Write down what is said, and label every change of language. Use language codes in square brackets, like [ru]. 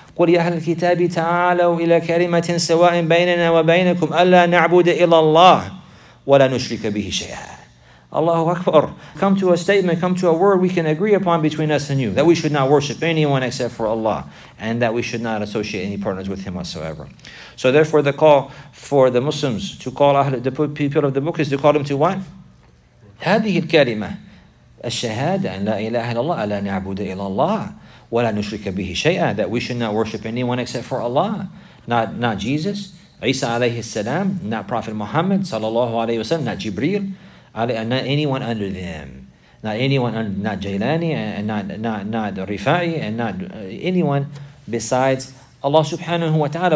[ar] قُلْ يَا أَهْلَ الْكِتَابِ تَعَالَوْا إِلَى كَلِمَةٍ سَوَاءٍ بَيْنَنَا وَبَيْنَكُمْ أَلَّا نَعْبُدَ إِلَى اللَّهِ وَلَا نُشْرِكَ بِهِ شَيْئًا. Allahu Akbar. [en] Come to a statement, come to a word we can agree upon between us and you. That we should not worship anyone except for Allah. And that we should not associate any partners with Him whatsoever. So therefore the call for the Muslims to call the people of the book is to call them to what? [ar] هذه الكلمة الشهادة أن لا إله إلا الله ألا نعبد إلا الله ولا نشرك به شيئا. [en] That we should not worship anyone except for Allah. Not Jesus, عيسى عليه السلام, not Prophet Muhammad صلى الله عليه وسلم, not Jibreel, not anyone under them. Not Jailani, and not Rifai, and not anyone besides Allah subhanahu wa ta'ala.